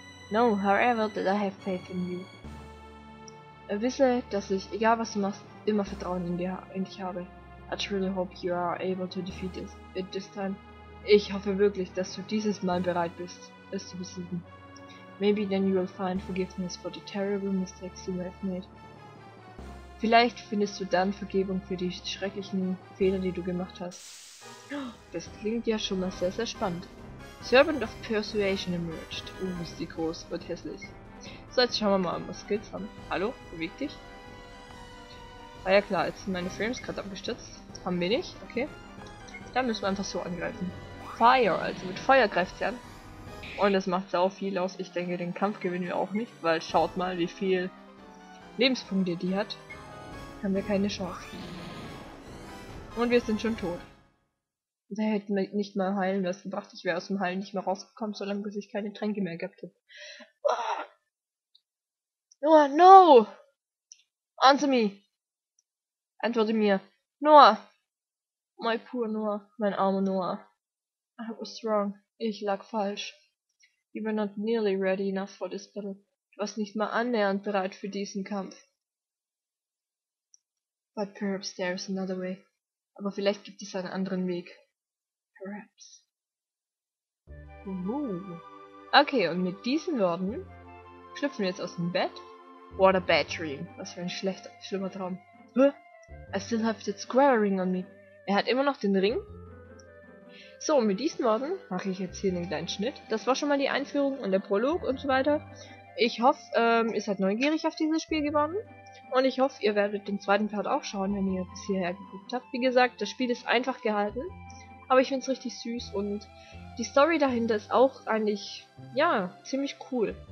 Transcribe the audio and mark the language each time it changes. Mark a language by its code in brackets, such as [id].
[en] No, however, that I have faith in you. [de] Wisse, dass ich, egal was du machst, immer Vertrauen in dich habe. [en] I truly hope you are able to defeat it this time. [de] Ich hoffe wirklich, dass du dieses Mal bereit bist, es zu besiegen. [en] Maybe then you will find forgiveness for the terrible mistakes you have made. [de] Vielleicht findest du dann Vergebung für die schrecklichen Fehler, die du gemacht hast. Das klingt ja schon mal sehr, sehr spannend. Servant of Persuasion emerged. Oh, ist die groß, wird hässlich. So, jetzt schauen wir mal, was Skills haben. Hallo, beweg dich. Ah ja klar, jetzt sind meine Frames gerade abgestürzt. Haben wir nicht, okay. Dann müssen wir einfach so angreifen. Fire, also mit Feuer greift sie an. Und das macht sau viel aus. Ich denke, den Kampf gewinnen wir auch nicht, weil schaut mal, wie viel Lebenspunkte die hat. Haben wir keine Chance. Und wir sind schon tot. Da hätten wir nicht mal heilen was gebracht. Ich wäre aus dem Heilen nicht mehr rausgekommen, solange bis ich keine Tränke mehr gehabt habe. [en] Noah, no! Answer me! [de] Antworte mir. [en] Noah! My poor Noah, [de] mein armer Noah. [en] I was wrong. [de] Ich lag falsch. [en] You were not nearly ready enough for this battle. [de] Du warst nicht mal annähernd bereit für diesen Kampf. [en] But perhaps there is another way. [de] Aber vielleicht gibt es einen anderen Weg. [en] Perhaps. [de] Okay, und mit diesen Worten schlüpfen wir jetzt aus dem Bett. [en] What a bad dream. [de] Was für ein schlimmer Traum. [en] I still have that square ring on me. [de] Er hat immer noch den Ring. So, und mit diesen Worten mache ich jetzt hier einen kleinen Schnitt. Das war schon mal die Einführung und der Prolog und so weiter. Ich hoffe, ihr seid neugierig auf dieses Spiel geworden. Und ich hoffe, ihr werdet den zweiten Part auch schauen, wenn ihr bis hierher geguckt habt. Wie gesagt, das Spiel ist einfach gehalten. Aber ich finde es richtig süß und die Story dahinter ist auch eigentlich, ja, ziemlich cool.